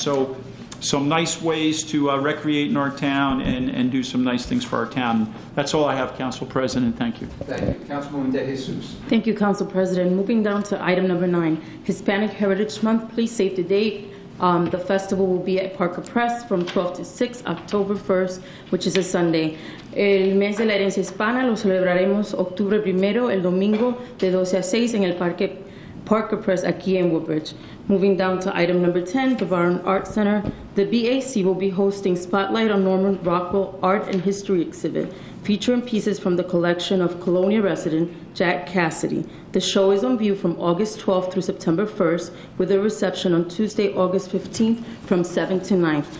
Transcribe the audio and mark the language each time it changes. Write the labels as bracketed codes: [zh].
[en] So some nice ways to recreate in our town and do some nice things for our town. That's all I have, Council President. Thank you. Thank you. Councilwoman De Jesus. Thank you, Council President. Moving down to item number 9, Hispanic Heritage Month. Please save the date. The festival will be at Parker Press from 12 to 6, October 1st, which is a Sunday. [es] El mes de la herencia hispana lo celebraremos octubre primero, el domingo, de 12 a 6, en el Parker Press aquí en Woodbridge. [en] Moving down to item number 10, the Barn Art Center. The BAC will be hosting Spotlight on Norman Rockwell Art and History Exhibit, featuring pieces from the collection of colonial resident Jack Cassidy. The show is on view from August 12th through September 1st, with a reception on Tuesday, August 15th from 7 to 9.